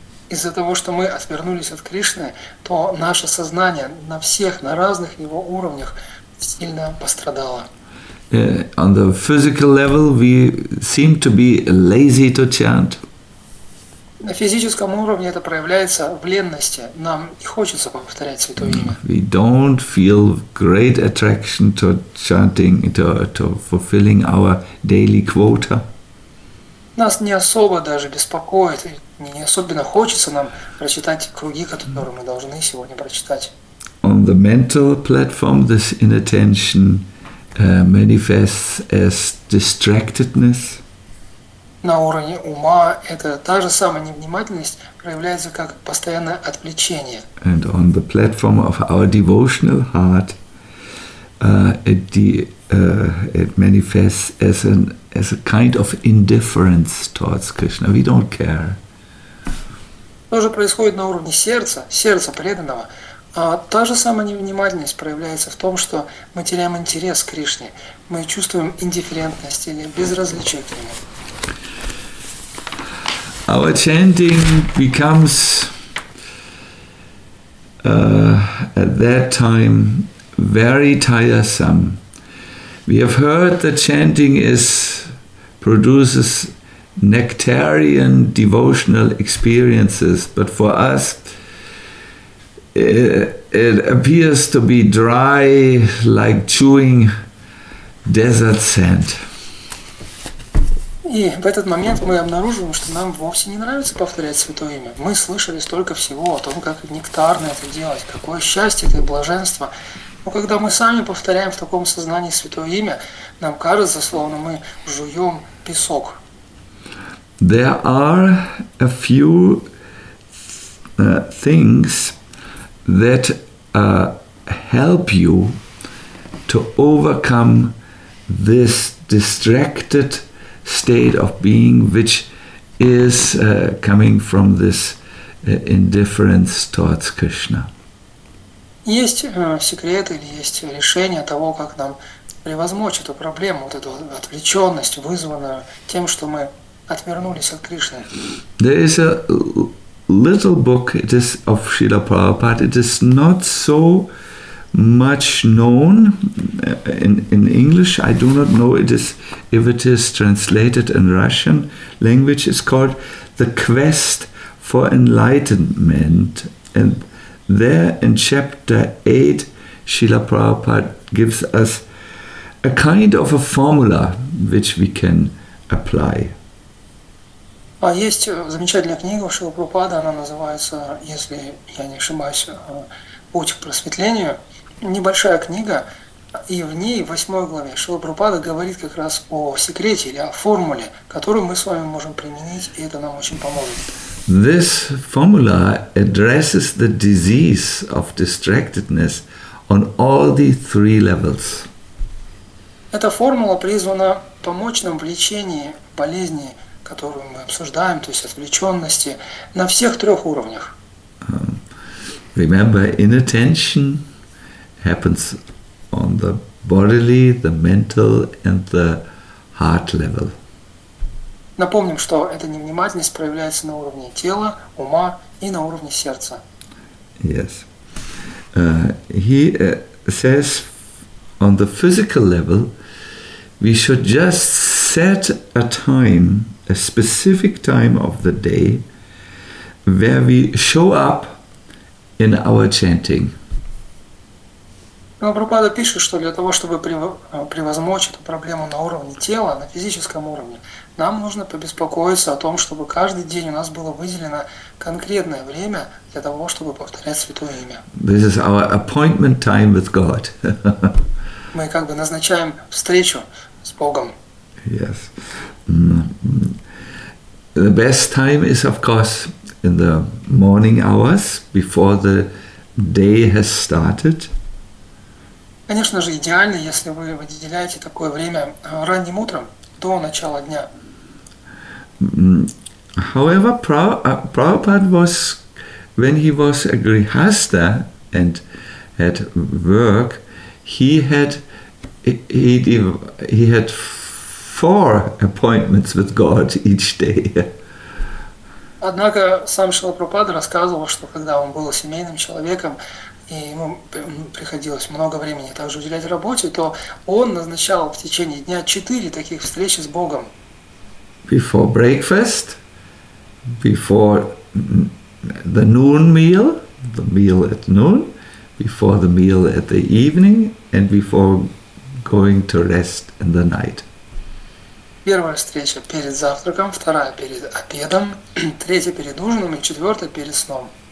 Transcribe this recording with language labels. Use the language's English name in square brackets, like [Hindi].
[Russian] Из-за того, что мы отвернулись от Кришны, то наше сознание на всех, на разных его уровнях сильно пострадало. [English] On the physical level we seem to be lazy to chant. [Russian] На физическом уровне это проявляется в ленности. Нам не хочется повторять святое имя. [English] We don't feel great attraction to chanting, to fulfilling our daily quota. [Russian] Нас не особо даже беспокоит, не особенно хочется нам прочитать круги, которые мы должны сегодня прочитать. [English] On the mental platform this inattention manifests as distractedness. [Russian] На уровне ума это та же самая невнимательность проявляется как постоянное отвлечение. [English] And on the platform of our devotional heart it manifests as a kind of indifference towards Krishna. We don't care. [Russian] То же происходит на уровне сердца, сердца преданного. А та же самая невнимательность проявляется в том, что мы теряем интерес к Кришне. Мы чувствуем индифферентность или безразличие к нему. [English] Our chanting becomes at that time very tiresome. We have heard that chanting produces nectarian devotional experiences, but for us it appears to be dry, like chewing desert sand. [Russian] И в этот момент мы обнаруживаем, что нам вовсе не нравится повторять святое имя. Мы слышали столько всего о том, как нектарно это делать, какое счастье это и блаженство. Но когда мы сами повторяем в таком сознании святое имя, нам кажется, словно мы жуем песок. [English] There are a few things that help you to overcome this distracted state of being, which is coming from this indifference towards Krishna. [Russian] Есть секрет или есть решение того, как нам превозмочь эту проблему, вот эту отвлеченность, вызванную тем, что мы отвернулись от Кришны. [English] There is a little book, it is of Srila Prabhupada, it is not so much known in English. I do not know if it is translated in Russian language. It's called The Quest for Enlightenment. And there in chapter 8, Srila Prabhupada gives us a kind of a formula which we can apply. [Russian] А есть замечательная книга Шрилы Прабхупады, она называется, если я не ошибаюсь, «Путь к просветлению». Небольшая книга, и в ней, в 8 главе, Шрила Прабхупада говорит как раз о секрете или о формуле, которую мы с вами можем применить, и это нам очень поможет. [English] This formula addresses the disease of distractedness on all the three levels. [Russian] Эта формула призвана помочь нам в лечении болезни, которую мы обсуждаем, то есть отвлеченности, на всех трех уровнях. [English] Remember, inattention happens on the bodily, the mental, and the heart level. [Russian] Напомним, что эта невнимательность проявляется на уровне тела, ума и на уровне сердца. [English] Yes. He says on the physical level, we should just set a time, a specific time of the day, where we show up in our chanting. [Russian] Прабхупада пишет, что для того, чтобы превозмочь эту проблему на уровне тела, на физическом уровне, нам нужно побеспокоиться о том, чтобы каждый день у нас было выделено конкретное время для того, чтобы повторять Святое Имя. [English] This is our appointment time with God. [Russian] Мы как бы назначаем встречу с Богом. [English] Yes. The best time is, of course, in the morning hours, before the day has started. [Russian] Конечно же, идеально, если вы выделяете такое время ранним утром, до начала дня. [English] However, Prabhupada was, when he was a grihastha and at work, he had four appointments with God each day. [Russian] Однако сам Шрила Прабхупада рассказывал, что когда он был семейным человеком, и ему приходилось много времени также уделять работе, то он назначал в течение дня 4 таких встречи с Богом. [English] Before breakfast, before the noon meal, the meal at noon, before the meal at the evening, and before going to rest in the night. [Russian] Первая встреча перед завтраком, вторая перед обедом, третья перед ужином и четвертая перед сном.